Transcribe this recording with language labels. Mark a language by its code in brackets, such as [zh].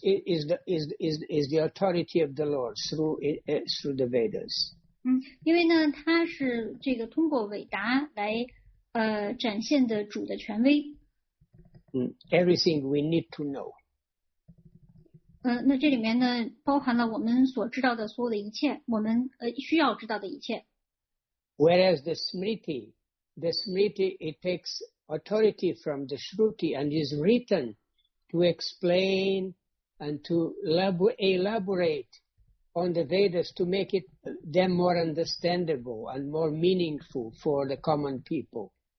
[en] It's the authority of the Lord through the Vedas. [zh] 因为呢，它是这个通过伟达来展现的主的权威。 [en] Everything we need to know. [zh] 那这里面呢，包含了我们所知道的所有的一切，我们需要知道的一切。 [en] Whereas the Smriti, it takes authority from the Shruti and is written to explain and to elaborate on the Vedas to make it them more understandable and more meaningful for the common people.